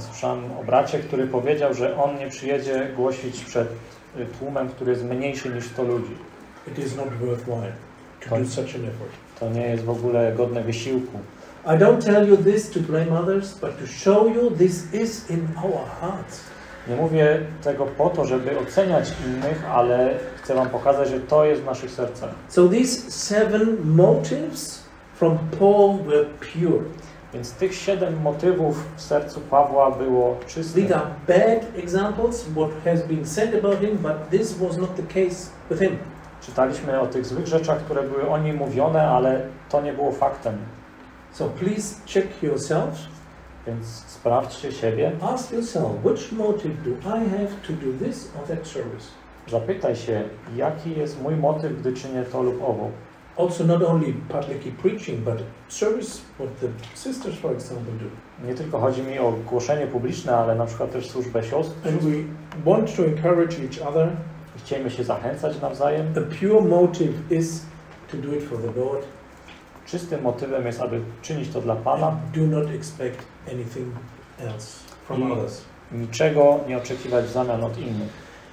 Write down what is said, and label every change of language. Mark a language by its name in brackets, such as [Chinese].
[Polish] Słyszałem o bracie, który powiedział, że on nie przyjedzie głosić przed tłumem, który jest mniejszy niż 100 ludzi. [English] It is not worthwhile to do such an effort. [Polish] To nie jest w ogóle godne wysiłku. [English] I don't tell you this to blame others, but to show you this is in our hearts. [Polish] Nie mówię tego po to, żeby oceniać innych, ale chcę wam pokazać, że to jest w naszych sercach. [English] So these seven motives from Paul were pure. [Polish] Więc tych siedem motywów w sercu Pawła było czyste. [English] These are bad examples, what has been said about him, but this was not the case with him. [Polish] Czytaliśmy o tych złych rzeczach, które były o nim mówione, ale to nie było faktem. [English] So please check yourself. [Polish] Więc sprawdźcie siebie. [English] Ask yourself, which motive do I have to do this or that service? [Polish] Zapytaj się, jaki jest mój motyw, gdy czynię to lub owo. [English] Also not only public preaching, but service, what the sisters, for example, do. [Polish] Nie tylko chodzi mi o głoszenie publiczne, ale na przykład też służbę sióstr. [English] And we want to encourage each other. [Polish] Chcemy się zachęcać nawzajem. [English] The pure motive is to do it for the Lord. [Polish] Czystym motywem jest, aby czynić to dla Pana. [English] And do not expect anything else from others. [Polish] Niczego nie oczekiwać w zamian od innych.